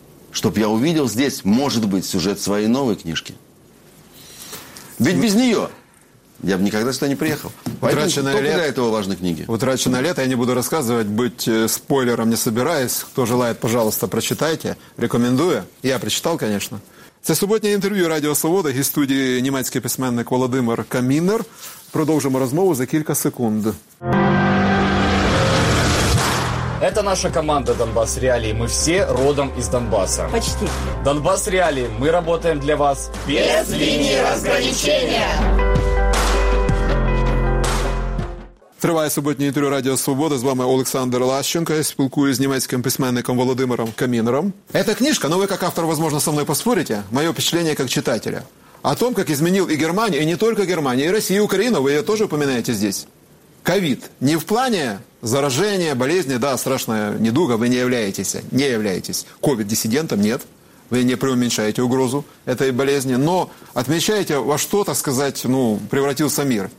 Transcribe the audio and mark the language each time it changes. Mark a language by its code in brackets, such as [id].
[ru] Чтобы я увидел здесь, может быть, сюжет своей новой книжки. Ведь без нее я бы никогда сюда не приехал. «Утраченное лето» для этого важной книги. «Утраченное лето» я не буду рассказывать, быть спойлером не собираюсь. Кто желает, пожалуйста, прочитайте. Рекомендую. Я прочитал, конечно. [uk] Це суботнє інтерв'ю Радіо Свобода і студії німецький письменник Володимир Камінер. Продовжимо розмову за кілька секунд. [ru] Это наша команда «Донбасс Реалии». Мы все родом из Донбасса. Почти. «Донбасс Реалии». Мы работаем для вас. Без линии разграничения. [uk] Триває суботнє інтерв'ю Радіо Свобода. З вами Олександр Лащенко. Я спілкуюсь з німецьким письменником Володимиром Камінером. [ru] Эта книжка, [uk] ну ви як автор, [ru] возможно, со мною поспорите, [uk] моє впечатлення як [ru] читателя. О том, как изменил и Германию, и не только Германию, и Россию, и Украину, вы ее тоже упоминаете здесь. Ковид. Не в плане заражения, болезни, да, страшная недуга, вы не являетесь ковид-диссидентом, нет. Вы не преуменьшаете угрозу этой болезни, но отмечаете, во что, так сказать, ну, превратился мир.